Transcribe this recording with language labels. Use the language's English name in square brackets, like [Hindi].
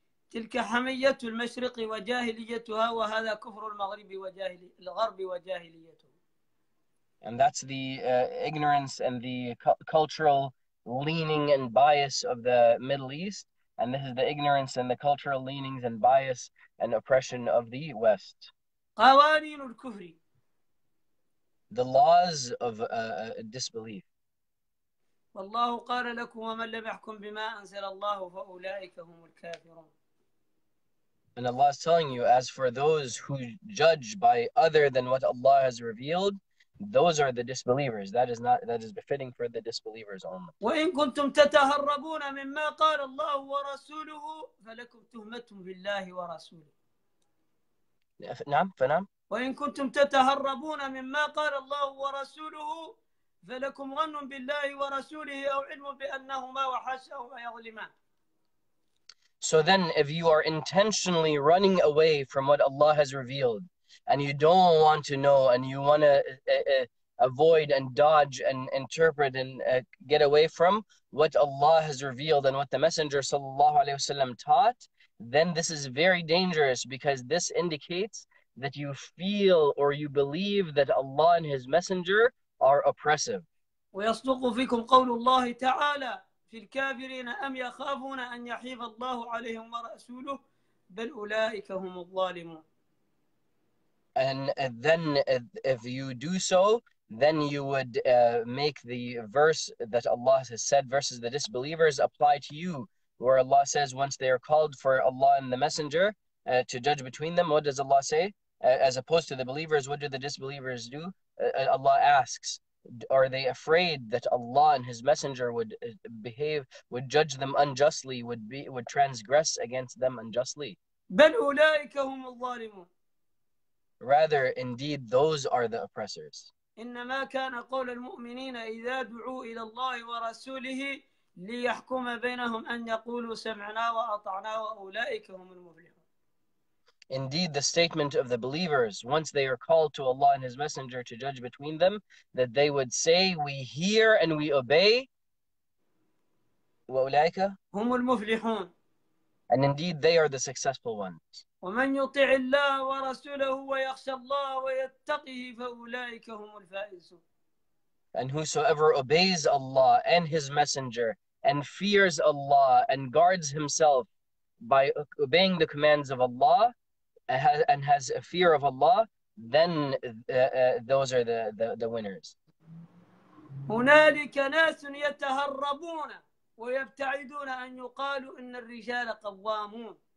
[Arabic] تلك حمية المشرق وجاهليتها وهذا كفر المغرب الغرب وجاهليته. [English] And that's the ignorance and the cultural leaning and bias of the Middle East. And this is the ignorance and the cultural leanings and bias and oppression of the West. [Arabic] قوانين الكفر. [English] The laws of disbelief. [Arabic] والله قال لكم ومن لم يحكم بما أنزل الله فأولئك هم الكافرون. [English] And Allah is telling you, as for those who judge by other than what Allah has revealed, those are the disbelievers. That is befitting for the disbelievers only. [Arabic] وإن كنتم تتهربون مما قال الله ورسوله فلكم تهمة بالله ورسوله. نعم فنعم. وإن كنتم تتهربون مما قال الله ورسوله فلكم غن بالله ورسوله أو علم بأنهما وحشهما يظلمان. [English] So then, if you are intentionally running away from what Allah has revealed, and you don't want to know, and you want to avoid and dodge and interpret and get away from what Allah has revealed and what the Messenger sallallahu alaihi wasallam taught, then this is very dangerous, because this indicates that you feel or you believe that Allah and His Messenger are oppressive. [Arabic] ويصدق فيكم قول الله تعالى في الكافرين أم يخافون أن يحيف الله عليهم ورسوله بل أولئك هم الظالمون. [English] And then if you do so, then you would make the verse that Allah has said versus the disbelievers apply to you, where Allah says once they are called for Allah and the Messenger to judge between them, what does Allah say? As opposed to the believers, what do the disbelievers do? Allah asks, are they afraid that Allah and His Messenger would behave, would judge them unjustly, would transgress against them unjustly? [Arabic] بل أولئك هم الظالمون. [English] Rather, indeed, those are the oppressors. [Arabic] إنما كان قول المؤمنين إذا دعوا إلى الله ورسوله ليحكم بينهم أن يقولوا سمعنا وأطعنا وأولئك هم المفلحون. [English] Indeed, the statement of the believers, once they are called to Allah and His Messenger to judge between them, that they would say, we hear and we obey. [Arabic] وأولئك هم المفلحون. [English] And indeed, they are the successful ones. [Arabic] ومن يطع الله ورسوله ويخشى الله ويتقيه فأولئك هم الفائزون. [English] And whosoever obeys Allah and His Messenger and fears Allah and guards himself by obeying the commands of Allah and has a fear of Allah, then those are the winners. [Arabic] هنالك ناس يتهربون ويبتعدون أن يقالوا إن الرجال قوامون.